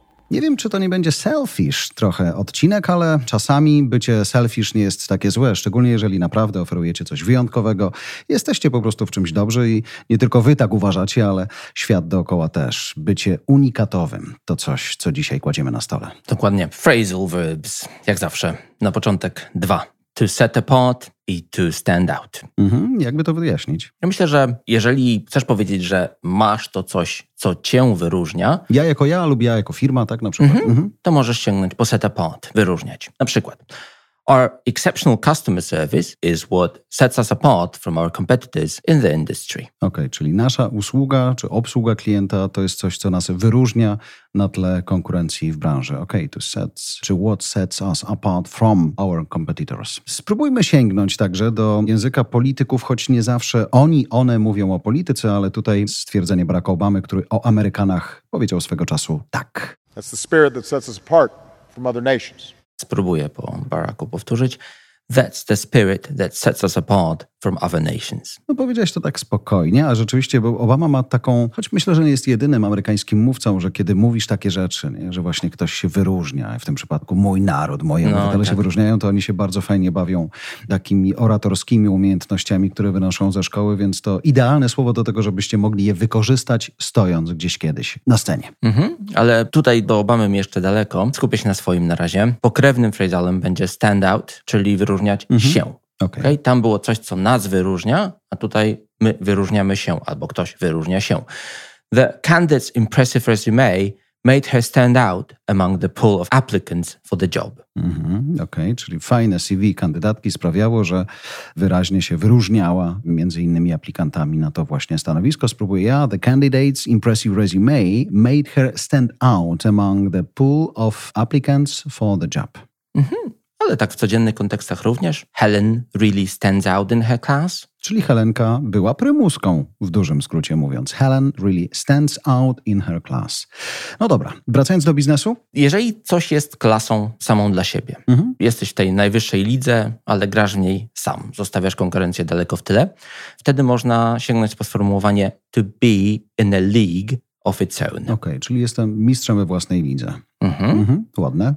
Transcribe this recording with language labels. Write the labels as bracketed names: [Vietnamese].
[Polish] Nie wiem, czy to nie będzie selfish trochę odcinek, ale czasami bycie selfish nie jest takie złe, szczególnie jeżeli naprawdę oferujecie coś wyjątkowego, jesteście po prostu w czymś dobrzy i nie tylko wy tak uważacie, ale świat dookoła też. Bycie unikatowym to coś, co dzisiaj kładziemy na stole. Dokładnie. Phrasal verbs, jak zawsze. Na początek dwa. To set apart i to stand out. Jakby to wyjaśnić? Ja myślę, że jeżeli chcesz powiedzieć, że masz to coś, co cię wyróżnia... Ja jako ja lub ja jako firma, tak na przykład. To możesz sięgnąć po set apart, wyróżniać. Na przykład. [English] Our exceptional customer service is what sets us apart from our competitors in the industry. [Polish] Okej, czyli nasza usługa czy obsługa klienta to jest coś, co nas wyróżnia na tle konkurencji w branży. Okej, to [English] sets, czy what sets us apart from our competitors. [Polish] Spróbujmy sięgnąć także do języka polityków, choć nie zawsze oni, one mówią o polityce, ale tutaj stwierdzenie Baracka Obamy, który o Amerykanach powiedział swego czasu tak. [English] That's the spirit that sets us apart from other nations. [Polish] Spróbuję po Baracku powtórzyć. [English] That's the spirit that sets us apart from other nations. [Polish] No powiedziałeś to tak spokojnie, a rzeczywiście, bo Obama ma taką, choć myślę, że nie jest jedynym amerykańskim mówcą, że kiedy mówisz takie rzeczy, nie, że właśnie ktoś się wyróżnia, w tym przypadku mój naród, moje obywatele się wyróżniają, to oni się bardzo fajnie bawią takimi oratorskimi umiejętnościami, które wynoszą ze szkoły, więc to idealne słowo do tego, żebyście mogli je wykorzystać stojąc gdzieś kiedyś na scenie. Ale tutaj do Obamy jeszcze daleko. Skupię się na swoim na razie. Pokrewnym phrasalem będzie stand out, czyli wyróżniać się. Okay. Tam było coś, co nas wyróżnia, a tutaj my wyróżniamy się, albo ktoś wyróżnia się. [English] The candidate's impressive resume made her stand out among the pool of applicants for the job. [Polish] Czyli fajne CV kandydatki sprawiało, że wyraźnie się wyróżniała między innymi aplikantami na to właśnie stanowisko. Spróbuję ja. [English] The candidate's impressive resume made her stand out among the pool of applicants for the job. [Polish] Ale tak w codziennych kontekstach również. [English] Helen really stands out in her class. [Polish] Czyli Helenka była prymuską, w dużym skrócie mówiąc. [English] Helen really stands out in her class. [Polish] No dobra, wracając do biznesu. Jeżeli coś jest klasą samą dla siebie, jesteś w tej najwyższej lidze, ale grasz w niej sam, zostawiasz konkurencję daleko w tyle, wtedy można sięgnąć po sformułowanie [English] to be in a league of its own. [Polish] Okej, czyli jestem mistrzem we własnej lidze. Ładne.